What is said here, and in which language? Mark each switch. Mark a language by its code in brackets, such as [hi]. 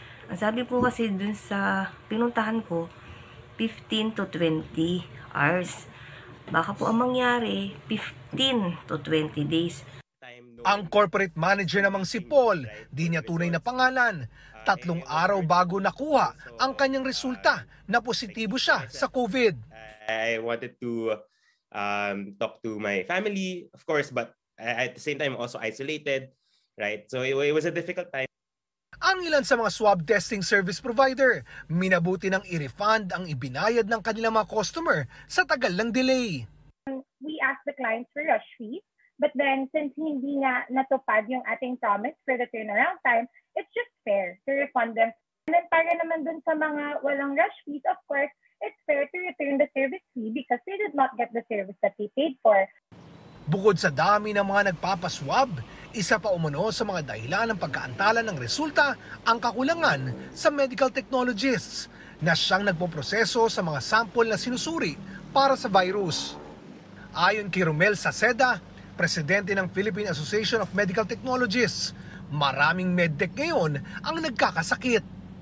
[tl] Ang sabi po kasi dun sa pinuntahan ko, 15 to 20 hours. Baka po ang mangyari, 15 to 20 days. Ang corporate manager namang si Paul, di niya tunay na pangalan. Tatlong araw bago nakuha ang kanyang resulta na positibo siya sa COVID. [en] I wanted to talk to my family, of course, but at the same time also isolated, right? So it was a difficult time. [tl] Ang ilan sa mga swab testing service provider, minabuti nang i-refund ang ibinayad ng kanilang mga customer sa tagal lang delay. [en] We asked the clients for rush fees, but then since [tl] hindi nga natupad yung ating [en] promise for the turnaround time, it's just fair to refund them. And then [tl] para naman dun sa mga walang [en] rush fees, of course, it's fair to return the service fee because they did not get the service that they paid for. [tl] Bukod sa dami ng mga nagpapaswab, isa pa umano sa mga dahilan ng pagkaantala ng resulta ang kakulangan sa medical technologists na siyang nagpoproseso sa mga sample na sinusuri para sa virus. Ayon kay Romel Saceda, presidente ng Philippine Association of Medical Technologists, maraming medtech ngayon ang nagkakasakit.